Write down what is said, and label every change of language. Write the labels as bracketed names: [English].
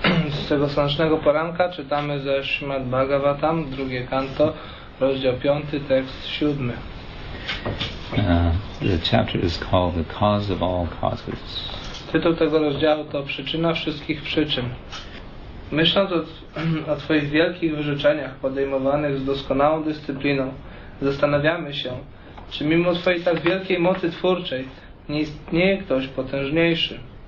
[Polish] Z tego słonecznego poranka czytamy ze Srimad Bhagavatam, drugie kanto, rozdział 5, tekst 7. [English] The chapter is called The Cause of All Causes. [Polish] Tytuł tego rozdziału to Przyczyna wszystkich przyczyn. Myśląc o Twoich wielkich wyrzeczeniach podejmowanych z doskonałą dyscypliną, zastanawiamy się, czy mimo Twojej tak wielkiej mocy twórczej nie istnieje ktoś potężniejszy.